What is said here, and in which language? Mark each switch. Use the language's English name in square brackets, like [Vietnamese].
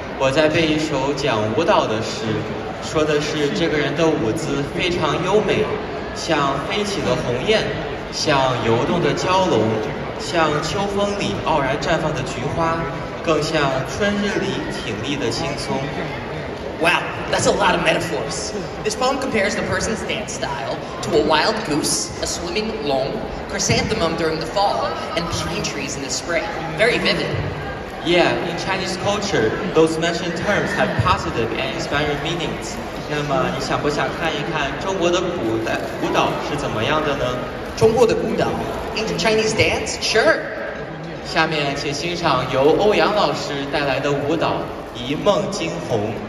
[Chinese] 我在背一首讲舞蹈的诗，说的是这个人的舞姿非常优美，像飞起的鸿雁，像游动的蛟龙，像秋风里傲然绽放的菊花，更像春日里挺立的青松。 [English] Wow, that's a lot of metaphors. This poem compares the person's dance style to a wild goose, a swimming long, chrysanthemum during the fall, and pine trees in the spring. Very vivid. Yeah, in Chinese culture, those mentioned terms have positive and inspiring meanings. [Chinese] 那么你想不想看一看中国的舞蹈是怎么样的呢？中国的舞蹈 [English] ？Ancient Chinese dance? Sure. [Chinese] 下面请欣赏由欧阳老师带来的舞蹈《一梦惊鸿》。